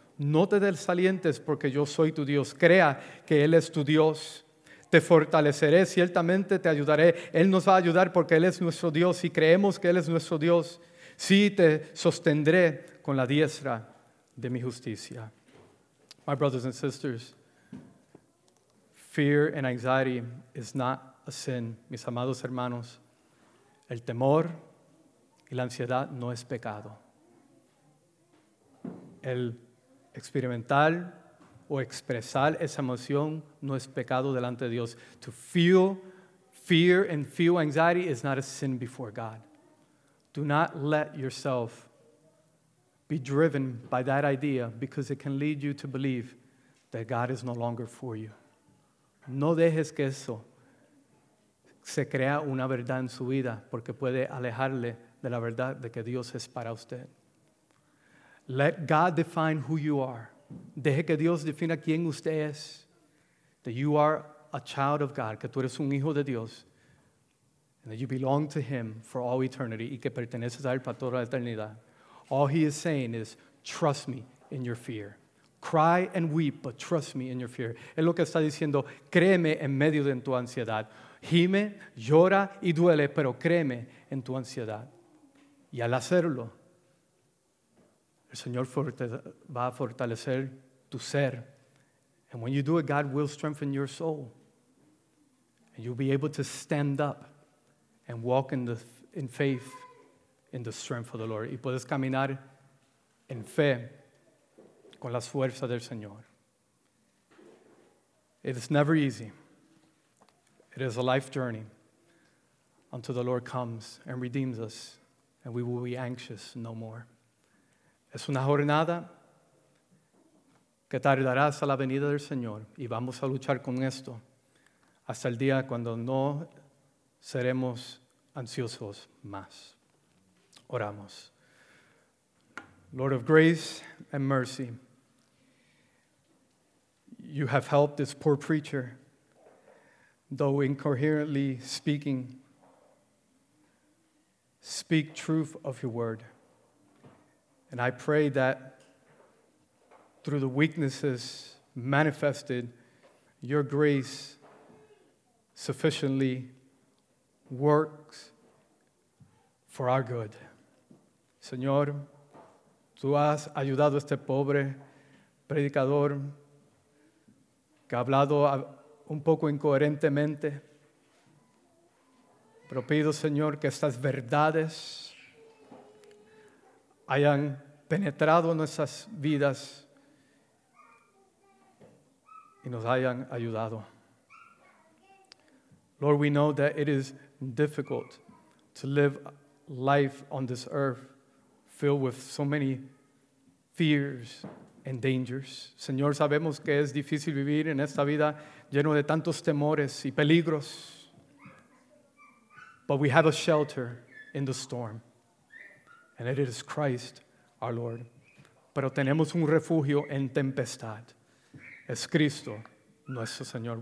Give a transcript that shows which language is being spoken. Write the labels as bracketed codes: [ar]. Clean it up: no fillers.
[es] No te desalientes porque yo soy tu Dios. Crea que Él es tu Dios. Te fortaleceré, ciertamente te ayudaré. Él nos va a ayudar porque Él es nuestro Dios. Y creemos que Él es nuestro Dios. Sí, te sostendré con la diestra de mi justicia. [en] My brothers and sisters, fear and anxiety is not a sin. [es] Mis amados hermanos, el temor y la ansiedad no es pecado. El experimentar o expresar esa emoción no es pecado delante de Dios. [en] To feel fear and feel anxiety is not a sin before God. Do not let yourself be driven by that idea because it can lead you to believe that God is no longer for you. [es] No dejes que eso se crea una verdad en su vida porque puede alejarle de la verdad de que Dios es para usted. [en] Let God define who you are. [es] Deje que Dios defina quién usted es. [en] That you are a child of God, [es] que tú eres un hijo de Dios. [en] And that you belong to Him for all eternity [es] y que perteneces a Él para toda la eternidad. [en] All He is saying is, trust me in your fear. Cry and weep, but trust me in your fear. [es] Es lo que está diciendo, créeme en medio de tu ansiedad. Gime, llora y duele, pero créeme en tu ansiedad. Y al hacerlo, el Señor va a fortalecer tu ser. [en] And when you do it, God will strengthen your soul. And you'll be able to stand up and walk in faith in the strength of the Lord. [es] Y puedes caminar en fe con las fuerzas del Señor. [en] It is never easy. It is a life journey until the Lord comes and redeems us and we will be anxious no more. [es] Es una jornada que tardará hasta la venida del Señor y vamos a luchar con esto hasta el día cuando no seremos ansiosos más. Oramos. [en] Lord of grace and mercy, you have helped this poor preacher, though incoherently speaking, speak truth of your word. And I pray that through the weaknesses manifested, your grace sufficiently works for our good. [es] Señor, tú has ayudado a este pobre predicador que ha hablado un poco incoherentemente. Pero pido, Señor, que estas verdades hayan penetrado nuestras vidas y nos hayan ayudado. [en] Lord, we know that it is difficult to live life on this earth filled with so many fears and dangers. [es] Señor, sabemos que es difícil vivir en esta vida lleno de tantos temores y peligros. [en] But we have a shelter in the storm, and it is Christ our Lord. [es] Pero tenemos un refugio en tempestad. Es Cristo nuestro Señor.